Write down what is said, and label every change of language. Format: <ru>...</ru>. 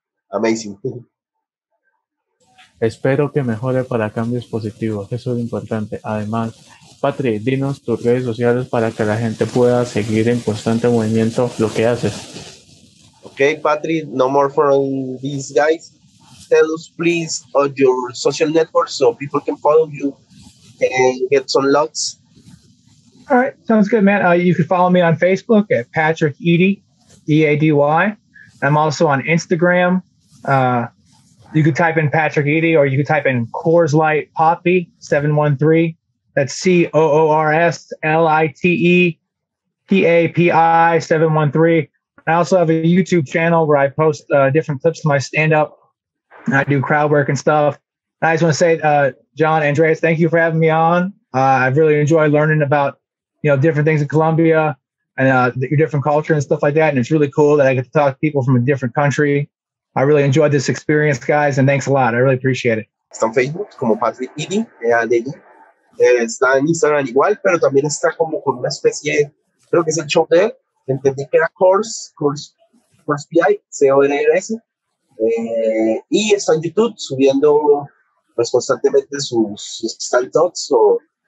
<en>Amazing.</en> <es>Espero que mejore para cambios positivos. Eso es importante. Además, Patri, dinos tus redes sociales para que la gente pueda seguir en constante movimiento lo que haces.</es> <en>Ok, Patri, no more from these guys. Tell us, please, on your social networks so people can follow you and get some likes. All right, sounds good, man. You can follow me on Facebook at Patrick Eady, E-A-D-Y. I'm also on Instagram. You could type in Patrick Eady, or you could type in Coors Light Poppy 713. That's CoorsLightePi 713. I also have a YouTube channel where I post different clips of my stand-up. I do crowd work and stuff. And I just want to say, John, Andreas, thank you for having me on. I've really enjoyed learning about, you know, different things in Colombia and your different culture and stuff like that. And it's really cool that I get to talk to people from a different country. I really enjoyed this experience, guys. And thanks a lot. I really appreciate it.</en> <es>Está en Facebook como Patrick Eady, Eady. Está en Instagram igual, pero también está como con una especie, creo que es el show de él. Entendí que era Course PI, C-O-R-R-S. Y está en YouTube subiendo pues constantemente sus stand-ups o...</es>